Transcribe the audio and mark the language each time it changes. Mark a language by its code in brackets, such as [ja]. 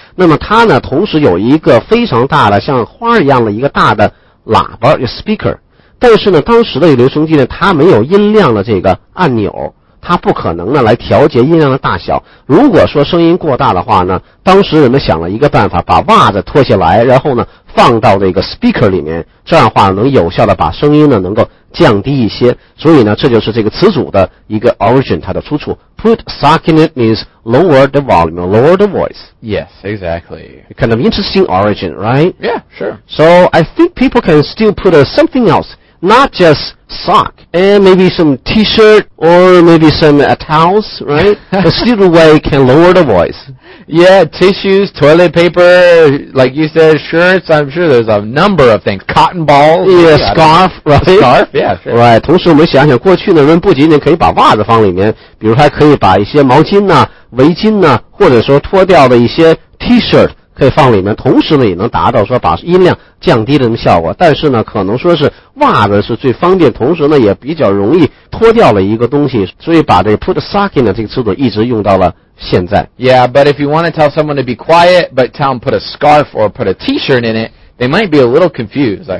[zh] 那么它呢同时有一个非常大的像花一样的一个大的喇叭 speaker， 但是呢当时的留声机呢它没有音量的这个按钮。它不可能呢来调节音量的大小。如果说声音过大的话呢，当时人们想了一个办法，把袜子脱下来，然后呢放到那个 speaker 里面，这样的话能有效的把声音呢能够降低一些。所以呢，这就是这个词组的一个 origin， 它的出处。 [en] Put sock in it means lower the volume, lower the voice. Yes, exactly. Kind of interesting origin, right? Yeah, sure. So I think people can still put something else. Not just sock, and maybe some t-shirt, or maybe some towels, right? A still way can lower the voice. Yeah, tissues, toilet paper, like you said, shirts, I'm sure there's a number of things. Cotton balls. Yeah, yeah scarf, right? A scarf, yeah, sure. [zh] Right, 同时我们想想过去的人不仅仅可以把袜子放里面，比如还可以把一些毛巾啊、围巾啊，或者说脱掉的一些 t-shirt,可以放里面，同时呢也能达到说把音量降低的那么效果。但是呢，可能说是袜子是最方便，同时呢也比较容易脱掉了一个东西，所以把这 [en] put a sock in [zh] 的这个词组一直用到了现在。 [en] Yeah, but if you want to tell someone to be quiet, but tell them put a scarf or put a T-shirt in it, they might be a little confused.